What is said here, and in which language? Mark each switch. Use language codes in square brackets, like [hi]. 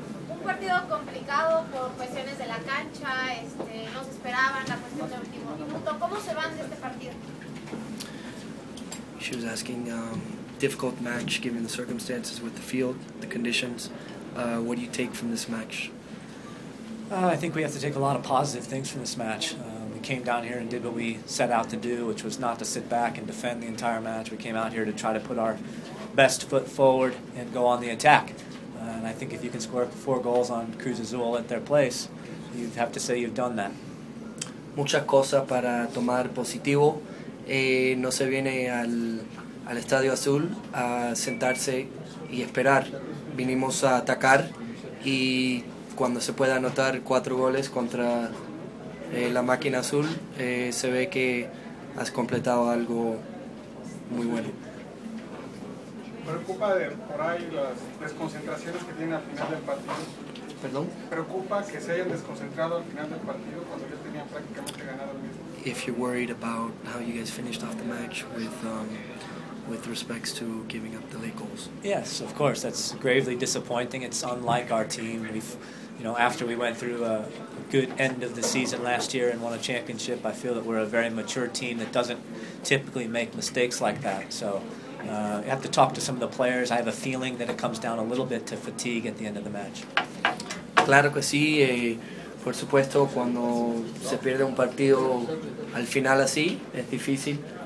[es] Un partido complicado por cuestiones de la cancha, no se esperaban la cuestión de último minuto. ¿Cómo se van de este partido? [en] She was asking, difficult match given the circumstances with the field, the conditions. What do you take from this match? I think we have to take a lot of positive things from this match. We came down here and did what we set out to do, which was not to sit back and defend the entire match. We came out here to try to put our best foot forward and go on the attack. And I think if you can score 4 goals on Cruz Azul at their place, you'd have to say you've done that. [es] Mucha cosa para tomar positivo. No se viene al Estadio Azul a sentarse y esperar. Vinimos a atacar y cuando se puede anotar 4 goles contra la máquina azul, se ve que has completado algo muy bueno. ¿Preocupa de por ahí las desconcentraciones que tienen al final del partido? ¿Perdón? ¿Preocupa que se hayan desconcentrado al final del partido cuando ya tenían prácticamente ganado el mismo? [en] If you're worried about how you guys finished off the match with respects to giving up the late goals. Yes, of course. That's gravely disappointing. It's unlike our team. After we went through a good end of the season last year and won a championship, I feel that we're a very mature team that doesn't typically make mistakes like that. So I have to talk to some of the players. I have a feeling that it comes down a little bit to fatigue at the end of the match. [es] Claro que sí. Por supuesto, cuando se pierde un partido al final así, es difícil.